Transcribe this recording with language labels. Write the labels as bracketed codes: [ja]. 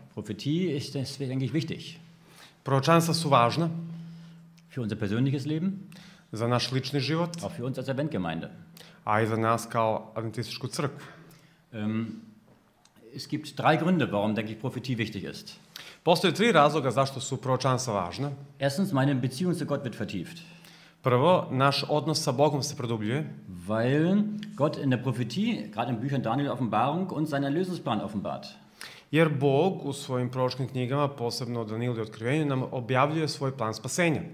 [de] Prophetie ist eigentlich wichtig. [sr] Proročanstva su važna. [de] Für unser persönliches Leben. [sr] Za naš lični život. [de] Auch für uns als Adventgemeinde. [sr] A i za nas kao adventističku crkvu. [de] Es gibt drei Gründe, warum, denke ich, Prophetie wichtig ist. [sr] Postoje tri razloga zašto su proročanstva važna. [de] Erstens, meine Beziehung zu Gott wird vertieft. [sr] Prvo, naš odnos sa Bogom se produbljuje. [de] Weil Gott in der Prophetie, gerade in Büchern Daniel Offenbarung und seinen Erlösungsplan offenbart. [sr] Jer Bog u svojim proročkim knjigama, posebno Danilu i Otkrivenju, nam objavljuje svoj plan spasenja.